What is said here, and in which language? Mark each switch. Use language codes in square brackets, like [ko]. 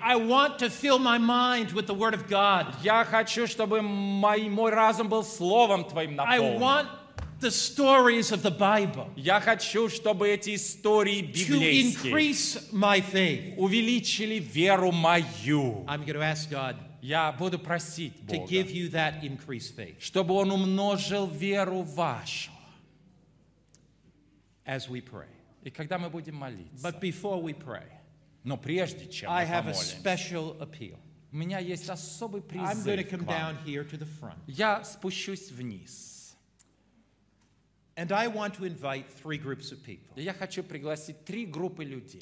[en] I want to fill my mind with the Word of God. [ru] Я хочу, чтобы мой разум был Словом Твоим наполнен. [en] I want The stories of the Bible. [ru] Я хочу, чтобы эти истории библейские [en] to increase my faith. [ru] Увеличили веру мою. [en] I'm going to ask God. [ru] Я буду просить Бога, [en] to give you that increased faith. [ru] Чтобы Он умножил веру вашу. [en] As we pray. [ru] И когда мы будем молиться. [en] But before we pray. [ru] Но прежде чем мы помолимся. [en] I have a special appeal. [ru] У меня есть особый призыв. [en] I'm going to come down here to the front. [ru] Я спущусь вниз. [en] And I want to invite three groups of people. [ru] Я хочу пригласить три группы людей.